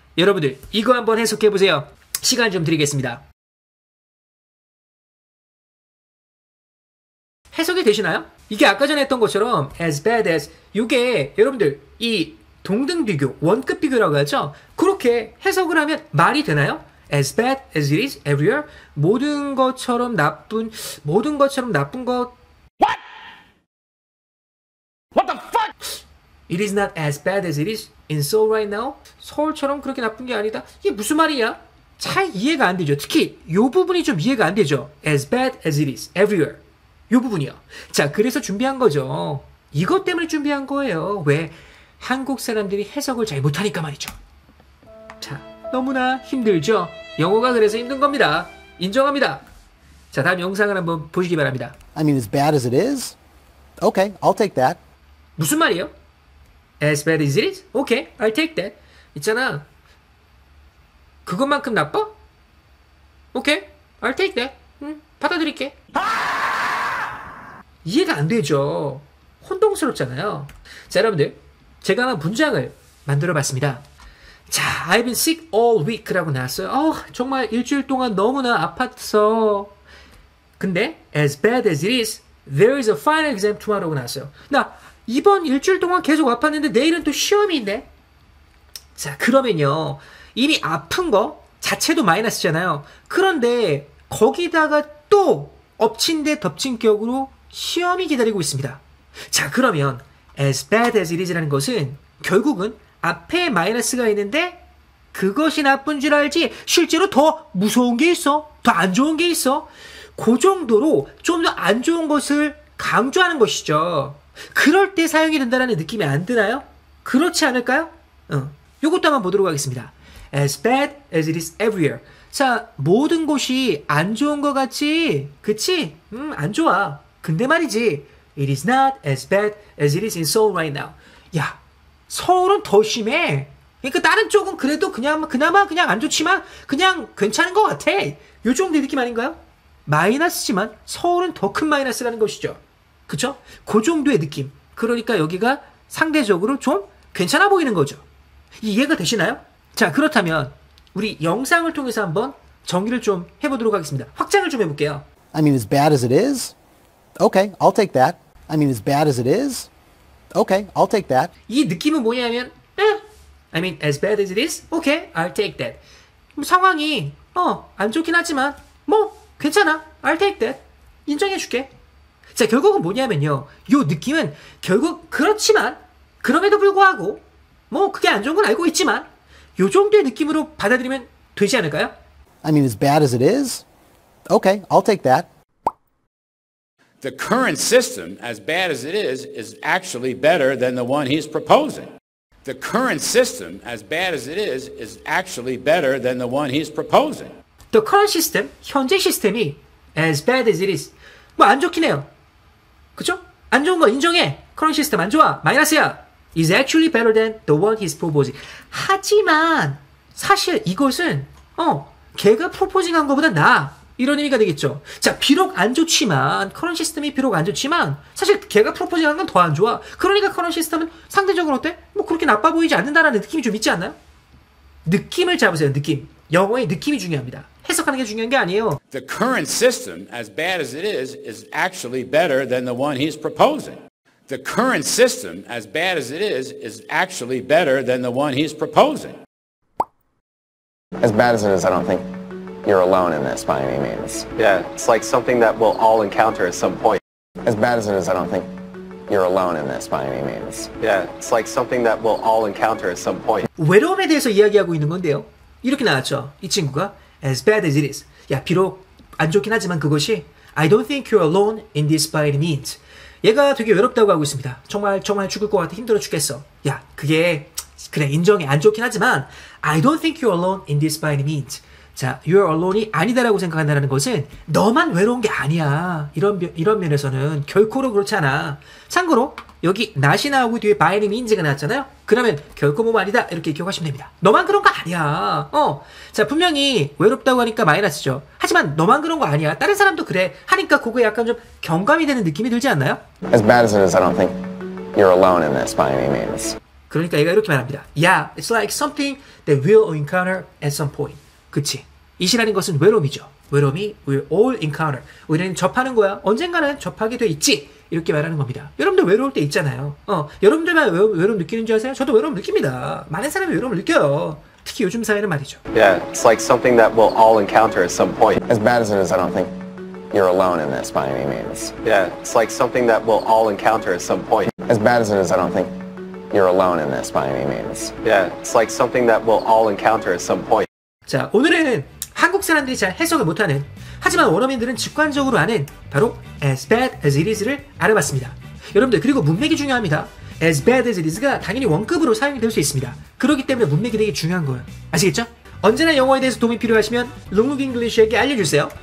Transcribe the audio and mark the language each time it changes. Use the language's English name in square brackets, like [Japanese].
[Korean] 여러분들 이거 한번 해석해보세요. 시간 좀 드리겠습니다. 해석이 되시나요? 이게 아까 전에 했던 것처럼 [English] as bad as [Korean] 이게 여러분들 이 동등 비교 원급 비교라고 하죠? 그렇게 해석을 하면 말이 되나요? [English] as bad as it is everywhere [Korean] 모든 것처럼 나쁜 것 [English] What? What the fuck? It is not as bad as it is in Seoul right now [Korean] 서울처럼 그렇게 나쁜 게 아니다 이게 무슨 말이야? 잘 이해가 안 되죠 특히 이 부분이 좀 이해가 안 되죠 [English] as bad as it is everywhere [Korean] 이 부분이요. 자, 그래서 준비한 거죠. 이것 때문에 준비한 거예요. 왜? 한국 사람들이 해석을 잘 못하니까 말이죠. 자, 너무나 힘들죠? 영어가 그래서 힘든 겁니다. 인정합니다. 자, 다음 영상을 한번 보시기 바랍니다. [English] I mean, as bad as it is? Okay, I'll take that. [Korean] 무슨 말이에요? [English] As bad as it is? Okay, I'll take that. [Korean] 있잖아. 그것만큼 나빠? [English] Okay, I'll take that. [Korean] 받아들일게. 아! 이해가 안 되죠. 혼동스럽잖아요. 자, 여러분들. 제가 한 문장을 만들어 봤습니다. [English] 자, I've been sick all week [Korean] 라고 나왔어요. 정말 일주일 동안 너무나 아팠어. 근데, [English] as bad as it is, there is a final exam tomorrow [Korean] 나왔어요. 나, 이번 일주일 동안 계속 아팠는데 내일은 또 시험이 있네? 자, 그러면요. 이미 아픈 거 자체도 마이너스잖아요. 그런데, 거기다가 또 엎친 데 덮친 격으로 시험이 기다리고 있습니다. 자, 그러면 [English] as bad as it is [Korean] 라는 것은 결국은 앞에 마이너스가 있는데 그것이 나쁜 줄 알지 실제로 더 무서운 게 있어. 더 안 좋은 게 있어. 그 정도로 좀 더 안 좋은 것을 강조하는 것이죠. 그럴 때 사용이 된다라는 느낌이 안 드나요? 그렇지 않을까요? 이것도 한번 보도록 하겠습니다. [English] As bad as it is everywhere. [Korean] 자, 모든 곳이 안 좋은 것 같지? 그치? 안 좋아. 근데 말이지 [English] It is not as bad as it is in Seoul right now [Korean] 야 서울은 더 심해 그러니까 다른 쪽은 그래도 그냥 그나마 그냥 안 좋지만 그냥 괜찮은 것 같아 요 정도의 느낌 아닌가요? 마이너스지만 서울은 더 큰 마이너스라는 것이죠 그쵸? 그 정도의 느낌 그러니까 여기가 상대적으로 좀 괜찮아 보이는 거죠 이해가 되시나요? 자 그렇다면 우리 영상을 통해서 한번 정리를 좀 해보도록 하겠습니다 확장을 좀 해볼게요 [English] I mean as bad as it is Okay, I'll take that. I mean, as bad as it is. Okay, I'll take that. [Korean] 이 느낌은 뭐냐면, [English] I mean, as bad as it is. Okay, I'll take that. [Korean] 상황이 안 좋긴 하지만, 뭐 괜찮아. [English] I'll take that. [Korean] 인정해줄게. 자, 결국은 뭐냐면요. 이 느낌은 결국 그렇지만, 그럼에도 불구하고, 뭐 그게 안 좋은 건 알고 있지만, 이 정도의 느낌으로 받아들이면 되지 않을까요? [English] I mean, as bad as it is. Okay, I'll take that. The current system, as bad as it is actually better than the one he's proposing. The current system, as bad as it is actually better than the one he's proposing. The current system, [Korean] 현재 시스템이, [English] as bad as it is, [Korean] 뭐 안 좋긴 해요. 그쵸? 안 좋은 거 인정해. Current system 안 좋아. 마이너스야. [English] Is actually better than the one he's proposing. [Korean] 하지만 사실 이것은 걔가 프로포징한 것보다 나. 이런 의미가 되겠죠. 자, 비록 안 좋지만 Current system이 비록 안 좋지만 사실 걔가 프로포징한 건 더 안 좋아. 그러니까 Current system은 상대적으로 어때? 뭐 그렇게 나빠 보이지 않는다라는 느낌이 좀 있지 않나요? 느낌을 잡으세요. 느낌. 영어의 느낌이 중요합니다. 해석하는 게 중요한 게 아니에요. [English] The current system, as bad as it is actually better than the one he's proposing. The current system, as bad as it is actually better than the one he's proposing. As bad as it is, I don't think you're alone in this by any means. Yeah, it's like something that we'll all encounter at some point. As bad as it is, I don't think you're alone in this by any means. Yeah, it's like something that we'll all encounter at some point. [Korean] 외로움에 대해서 이야기하고 있는 건데요. 이렇게 나왔죠. 이 친구가 [English] as bad as it is. [Korean] 야, 비록 안 좋긴 하지만 그것이 [English] I don't think you're alone in this by any means. [Korean] 얘가 되게 외롭다고 하고 있습니다. 정말 죽을 것 같아. 힘들어 죽겠어. 야, 그게 그래 인정해. 안 좋긴 하지만 [English] I don't think you're alone in this by any means. [Korean] 자, [English] you're alone [Korean] 이 아니다라고 생각한다는 것은 너만 외로운 게 아니야. 이런 면에서는 결코로 그렇지 않아. 참고로 여기 not이 나오고 뒤에 [English] by any means [Korean] 가 나왔잖아요. 그러면 결코 뭐 아니다 이렇게 기억하시면 됩니다. 너만 그런 거 아니야. 자, 분명히 외롭다고 하니까 마이너스죠. 하지만 너만 그런 거 아니야. 다른 사람도 그래 하니까 그거에 약간 좀 경감이 되는 느낌이 들지 않나요? [English] As bad as it is, I don't think you're alone in this by any means. [Korean] 그러니까 얘가 이렇게 말합니다. [English] Yeah, it's like something that we'll encounter at some point. [Korean] 그치? It이라는 것은 외로움이죠. 외로움이 [English] we'll all encounter. [Korean] 우리는 접하는 거야. 언젠가는 접하게 돼 있지. 이렇게 말하는 겁니다. 여러분도 외로울 때 있잖아요. 여러분들만 외로움 느끼는 줄 아세요? 저도 외로움 느낍니다. 많은 사람이 외로움을 느껴요. 특히 요즘 사회는 말이죠. [English] Yeah, it's like something that we'll all encounter at some point. As bad as it is, I don't think you're alone in this by any means. Yeah, it's like something that we'll all encounter at some point. As bad as it is, I don't think you're alone in this by any means. Yeah, it's like something that we'll all encounter at some point. [Korean] 자, 오늘은 한국 사람들이 잘 해석을 못하는 하지만 원어민들은 직관적으로 아는 바로 [English] as bad as it is [Korean] 를 알아봤습니다. 여러분들 그리고 문맥이 중요합니다. [English] as bad as it is [Korean] 가 당연히 원급으로 사용될 수 있습니다. 그렇기 때문에 문맥이 되게 중요한 거예요. 아시겠죠? 언제나 영어에 대해서 도움이 필요하시면 롱룩 잉글리쉬에게 알려주세요.